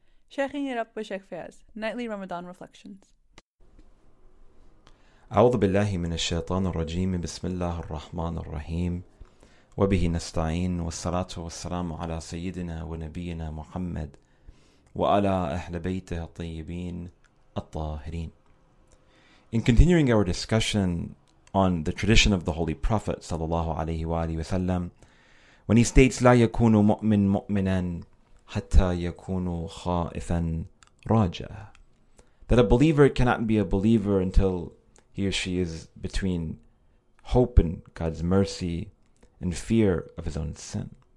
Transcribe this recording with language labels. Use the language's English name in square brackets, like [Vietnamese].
[English] Checking it up with Sheikh Fayaz, Nightly Ramadan Reflections. [Arabic] أعوذ بالله من الشيطان الرجيم بسم الله الرحمن الرحيم وبه نستعين والصلاة والسلام على سيدنا ونبينا محمد وعلى أهل بيته الطيبين الطاهرين. [English] In continuing our discussion on the tradition of the Holy Prophet صلى الله عليه وآله وسلم, when he states [Arabic] لا يكون مؤمن مؤمنا حتى يكون خائفا راجع, [English] that a believer cannot be a believer until he or she is between hope and God's mercy and fear of his own sin.